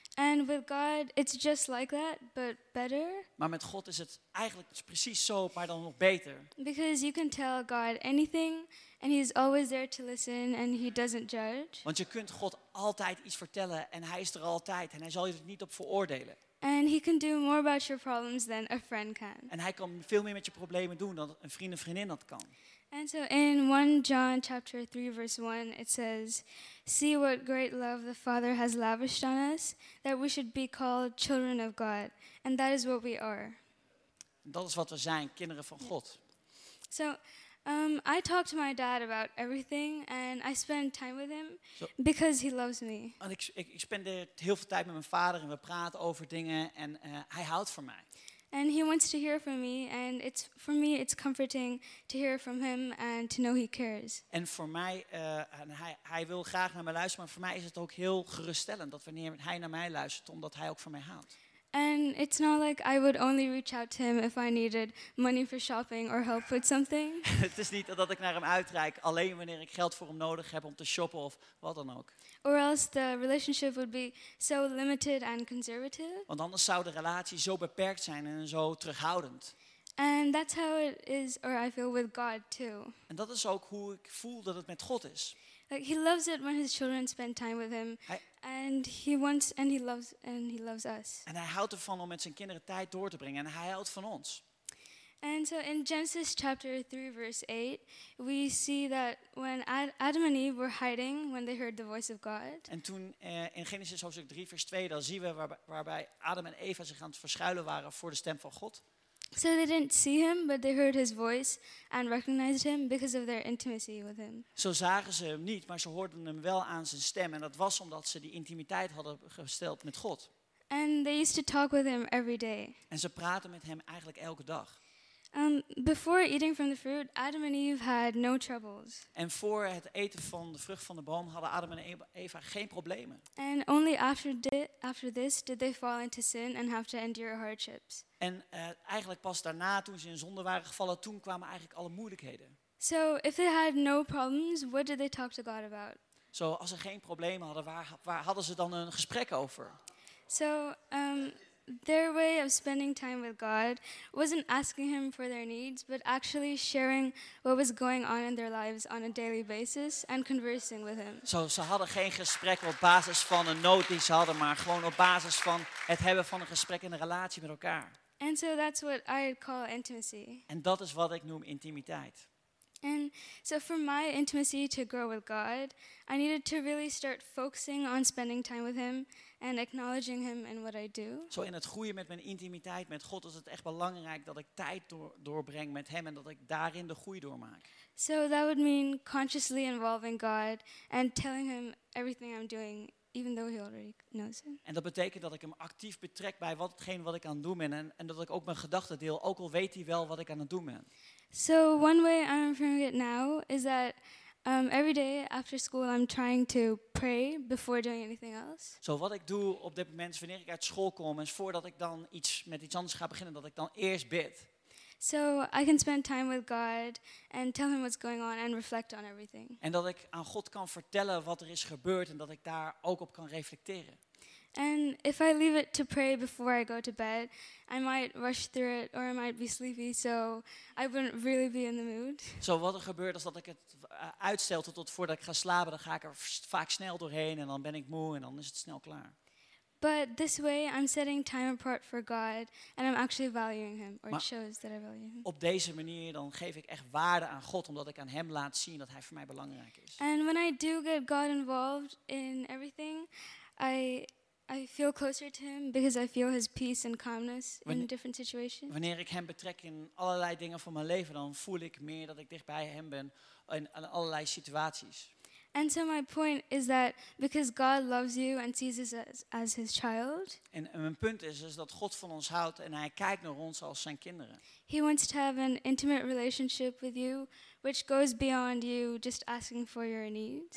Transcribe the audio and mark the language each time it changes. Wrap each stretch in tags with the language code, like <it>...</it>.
<en>And with God, it's just like that, but better.</en> <nl>Maar met God is het eigenlijk precies zo, maar dan nog beter.</nl> <en>Because you can tell God anything and he's always there to listen and he doesn't judge.</en> <nl>Want je kunt God altijd iets vertellen en hij is er altijd en hij zal je er niet op veroordelen.</nl> <en>And he can do more about your problems than a friend can.</en> <nl>En hij kan veel meer met je problemen doen dan een vriend of vriendin dat kan.</nl> <en>And so in 1 John chapter 3 verse 1 it says, "See what great love the Father has lavished on us, that we should be called children of God, and that is what we are."</en> <nl>Dat is wat we zijn, kinderen van God.</nl> <en>So I talk to my dad about everything and I spend time with him because he loves me.</en> <nl>Want ik spendeer heel veel tijd met mijn vader en we praten over dingen en hij houdt van mij.</nl> <en>And he wants to hear from me, and it's for me it's comforting to hear from him and to know he cares.</en> <nl>En voor mij, hij wil graag naar mij luisteren, maar voor mij is het ook heel geruststellend dat wanneer hij naar mij luistert, omdat hij ook van mij houdt.</nl> <en>And it's not like I would only reach out to him if I needed money for shopping or help with something.</en> <nl>Het is niet dat ik naar hem uitreik alleen wanneer ik geld voor hem nodig heb om te shoppen of wat dan ook.</nl> <en>Or else the relationship would be so limited and conservative.</en> <nl>Want anders zou de relatie zo beperkt zijn en zo terughoudend.</nl> <en>And that's how it is, or I feel with God too.</en> <nl>En dat is ook hoe ik voel dat het met God is.</nl> <en>Like he loves it when his children spend time with him, and he loves us.</en> <nl>En hij houdt ervan om met zijn kinderen tijd door te brengen, en hij houdt van ons.</nl> <en>And so in Genesis chapter 3 verse 8, we see that when Adam and Eve were hiding when they heard the voice of God.</en> <nl>En toen in Genesis hoofdstuk 3 vers 2, dan zien we waarbij Adam en Eva zich aan het verschuilen waren voor de stem van God.</nl> <en>So they didn't see him, but they heard his voice and recognized him because of their intimacy with him.</en> <nl>Zo zagen ze hem niet, maar ze hoorden hem wel aan zijn stem, en dat was omdat ze die intimiteit hadden gesteld met God.</nl> <en>And they used to talk with him every day.</en> <nl>En ze praten met hem eigenlijk elke dag.</nl> <en>Before eating from the fruit, Adam and Eve had no troubles.</en> <nl>En voor het eten van de vrucht van de boom hadden Adam en Eva geen problemen.</nl> <en>And only after this did they fall into sin and have to endure hardships.</en> <nl>En eigenlijk pas daarna, toen ze in zonde waren gevallen, toen kwamen eigenlijk alle moeilijkheden.</nl> <en>So if they had no problems, what did they talk to God about?</en> <nl>Zo, als ze geen problemen hadden, waar hadden ze dan een gesprek over?</nl> <en>So their way of spending time with God wasn't asking him for their needs, but actually sharing what was going on in their lives on a daily basis and conversing with him.</en> <nl>Zo, ze hadden geen gesprek op basis van een nood die ze hadden, maar gewoon op basis van het hebben van een gesprek in een relatie met elkaar.</nl> <en>And so that's what I call intimacy.</en> <nl>En dat is wat ik noem intimiteit.</nl> <en>And so for my intimacy to grow with God, I needed to really start focusing on spending time with him and acknowledging him in what I do.</en> <nl>Zo, in het groeien met mijn intimiteit met God is het echt belangrijk dat ik tijd doorbreng met hem en dat ik daarin de groei doormaak.</nl> <en>So that would mean consciously involving God and telling him everything I'm doing, even though he already knows him.</en> <nl>En dat betekent dat ik hem actief betrek bij watgene wat ik aan het doen ben, en dat ik ook mijn gedachten deel, ook al weet hij wel wat ik aan het doen ben.</nl> <en>So one way I'm improving it now is that every day after school I'm trying to pray before doing anything else.</en> <nl>Zo, wat ik doe op dit moment is wanneer ik uit school kom en voordat ik dan iets met iets anders ga beginnen, dat ik dan eerst bid.</nl> <en>So I can spend time with God and tell him what's going on and reflect on everything.</en> <nl>En dat ik aan God kan vertellen wat er is gebeurd en dat ik daar ook op kan reflecteren.</nl> <en>And if I leave it to pray before I go to bed, I might rush through it or I might be sleepy, so I wouldn't really be in the mood.</en> <nl>Zo, wat er gebeurt is dat ik het uitstel tot voordat ik ga slapen, dan ga ik er vaak snel doorheen en dan ben ik moe en dan is het snel klaar.</nl> <en>But this way I'm setting time apart for God and I'm actually valuing him, or it shows that I value him.</en> <nl>Op deze manier dan geef ik echt waarde aan God, omdat ik aan hem laat zien dat hij voor mij belangrijk is.</nl> <en>And when I do get God involved in everything, I feel closer to him because I feel his peace and calmness in different situations.</en> <nl>Wanneer ik hem betrek in allerlei dingen van mijn leven, dan voel ik meer dat ik dicht bij hem ben in allerlei situaties.</nl> <en>And so my point is that because God loves you and sees us as his child.</en> <nl>En mijn punt is dat God van ons houdt en hij kijkt naar ons als zijn kinderen.</nl> <en>He wants to have an intimate relationship with you which goes beyond you just asking for your needs.</en>